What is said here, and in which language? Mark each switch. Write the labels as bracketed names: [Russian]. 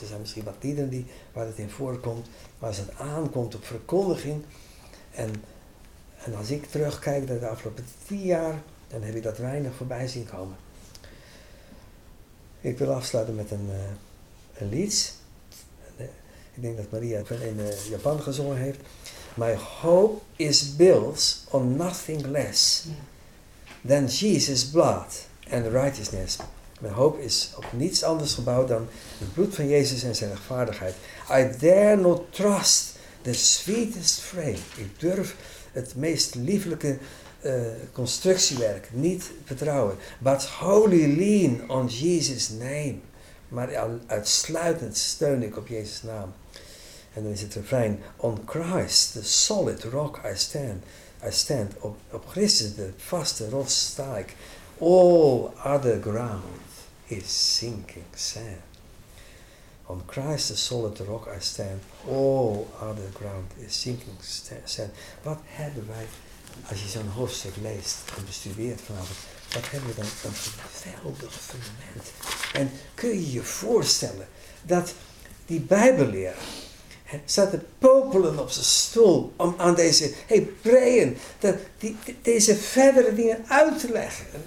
[Dutch] Er zijn misschien wat liederen die, waar het in voorkomt, maar als het aankomt op verkondiging en. En als ik terugkijk naar de afgelopen 10 jaar, dan heb ik dat weinig voorbij zien komen. Ik wil afsluiten met een lied. Ik denk dat Maria het wel in Japan gezongen heeft. [English] My hope is built on nothing less than Jesus' blood and righteousness. [Dutch] Mijn hoop is op niets anders gebouwd dan het bloed van Jezus en zijn rechtvaardigheid. [English] I dare not trust the sweetest frame. [Dutch] Ik durf het meest lieflijke constructiewerk niet vertrouwen. [English] But wholly lean on Jesus' name. [Dutch] Maar uitsluitend steun ik op Jezus' naam. En dan is het refrein. [English] On Christ, the solid rock I stand. I stand. [Dutch] Op Christus, de vaste rots sta ik. [English] All other ground is sinking sand. On Christ, the solid rock I stand, all other ground is sinking sand. [Dutch] Wat hebben wij, als je zo'n hoofdstuk leest en bestudeert vanavond, wat hebben we dan een geweldig fundament? En kun je je voorstellen dat die Bijbelleraar staat te popelen op zijn stoel om aan deze Hebreeën deze verdere dingen uit te leggen?